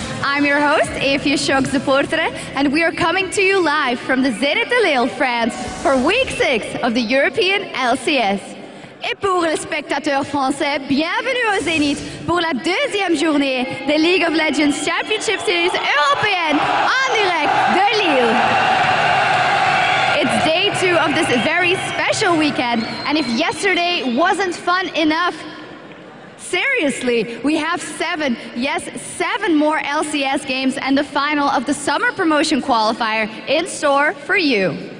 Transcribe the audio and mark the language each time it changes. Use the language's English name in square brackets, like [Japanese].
[English] I'm your host, Efje Schok Zeportre, and we are coming to you live from the Zénith de Lille, France, for week 6 of the European LCS. [French] Et pour les spectateurs français, bienvenue au Zénith pour la deuxième journée de League of Legends Championship Series européenne en direct de Lille. [English] It's day 2 of this very special weekend, and if yesterday wasn't fun enough, seriously, we have 7, yes, 7 more LCS games and the final of the summer promotion qualifier in store for you.